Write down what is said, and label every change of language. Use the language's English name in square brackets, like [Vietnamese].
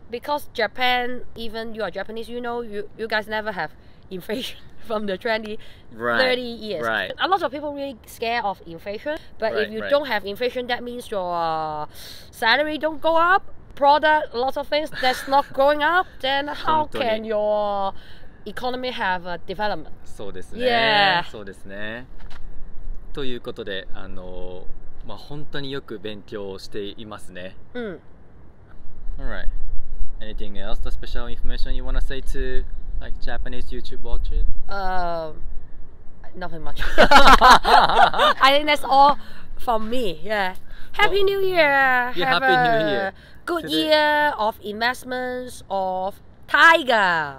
[English] Because Japan, even you are Japanese, you know, you guys never have inflation from the 30 years. Right. A lot of people really scared of inflation. But if you don't have inflation, that means your salary don't go up. Product, a lot of things that's not going up. Then how can your economy have a development. [Japanese] そうですね。 [English] Yeah. [Japanese] そうですね。ということで、まあ本当によく勉強していますね。 [English] Alright. Anything else? The special information you want to say to like Japanese YouTube watcher? Nothing much. I think that's all from me. Yeah. Happy New Year. Yeah, have Happy New Year. Good year of investments of. Tiger.